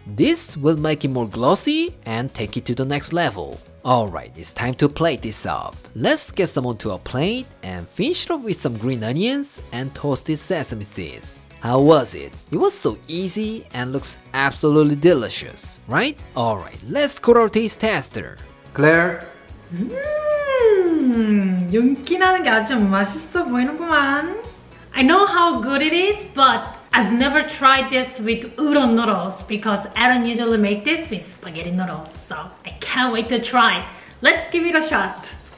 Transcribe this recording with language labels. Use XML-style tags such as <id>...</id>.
<en>This will make it more glossy and take it to the next level. Alright, it's time to plate this up. Let's get some onto a plate and finish it up with some green onions and toasted sesame seeds. How was it? It was so easy and looks absolutely delicious, right? Alright, let's call our taste tester. Claire?</en> <ko>Mmm, 윤기 나는 게 아주 맛있어 보이는구만.</ko> <en>I know how good it is, but I've never tried this with udon noodles because I don't usually make this with spaghetti noodles. So I can't wait to try. Let's give it a shot.</en>